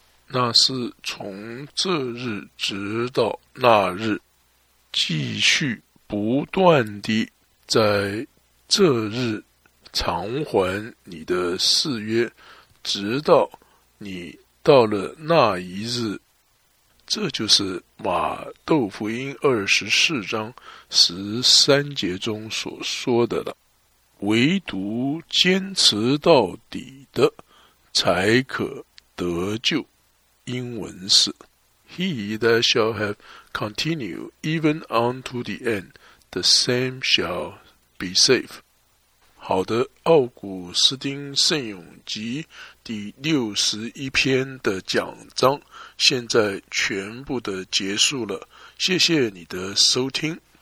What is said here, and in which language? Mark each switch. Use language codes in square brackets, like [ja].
[zh] 那是从这日直到那日，继续不断地在这日偿还你的誓约，直到你到了那一日。这就是马窦福音24:13中所说的了。唯独坚持到底的才可得救。英文是 [en] He that shall have continued even unto the end, the same shall be saved. [zh] 好的，奥古斯丁圣咏集第61篇的讲章现在全部的结束了。谢谢你的收听。